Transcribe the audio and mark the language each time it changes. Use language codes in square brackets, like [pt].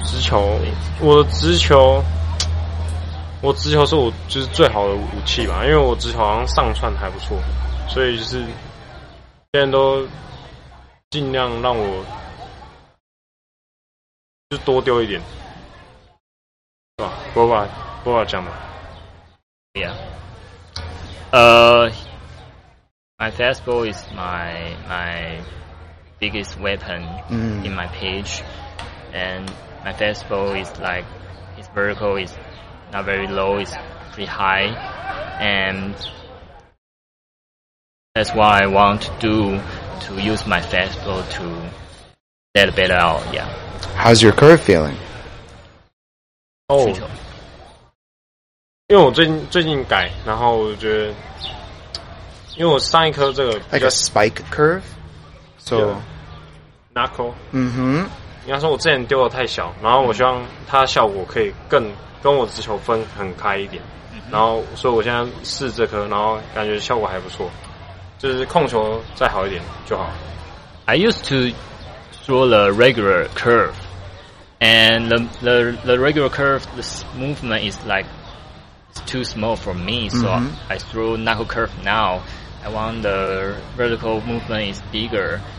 [zh] 我直球是我就是最好的武器吧，因为我直球好像上串还不错，所以就是现在都尽量让我就多丢一点，是吧？波巴讲吧。 [en] Yeah. My fastball is my biggest weapon in my pitch, and. My fastball is like, its vertical is not very low, it's pretty high, and that's what I want to do, to use my fastball to get better out, yeah. How's your curve feeling? [zh] Oh, 因为我最近改，然后我觉得，因为我上一颗这个 [en] Like a spike curve? So, knuckle. Mm-hmm. [zh] 你要说我之前丢的太小，然后我希望它的效果可以更跟我直球分很开一点，然后所以我现在试这颗，然后感觉效果还不错，就是控球再好一点就好。 [en] I used to throw the regular curve, and the regular curve the movement is like it's too small for me, so I throw knuckle curve now. I want the vertical movement is bigger,